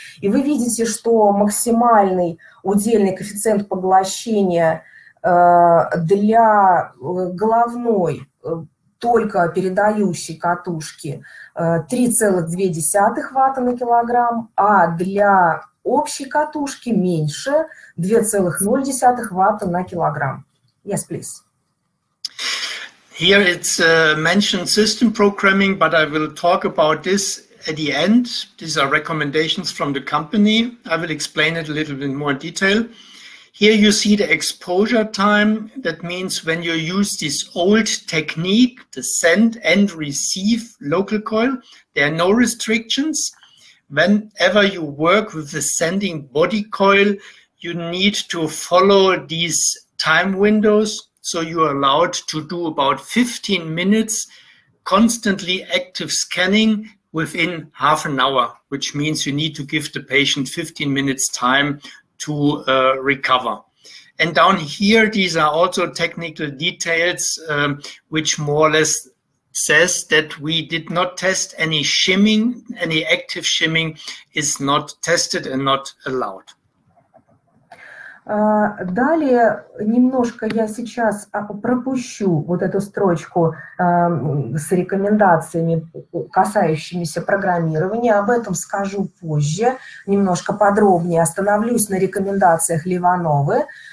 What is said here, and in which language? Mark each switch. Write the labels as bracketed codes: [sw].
[ru] И вы видите, что максимальный удельный коэффициент поглощения для головной только передающей катушки 3,2 ватта на килограмм, а для общей катушки меньше 2,0 ватта на килограмм. [en] Yes, please. Here it's mentioned system programming, but I will talk about this at the end. These are recommendations from the company. I will explain it a little bit more in detail. Here you see the exposure time. That means when you use this old technique, the send and receive local coil, there are no restrictions. Whenever you work with the sending body coil, you need to follow these time windows. So you are allowed to do about 15 minutes constantly active scanning within half an hour, which means you need to give the patient 15 minutes time to recover. And down here, these are also technical details, which more or less says that we did not test any shimming, any active shimming is not tested and not allowed. [ru] Далее немножко я сейчас пропущу вот эту строчку с рекомендациями, касающимися программирования. Об этом скажу позже, немножко подробнее остановлюсь на рекомендациях LivaNova.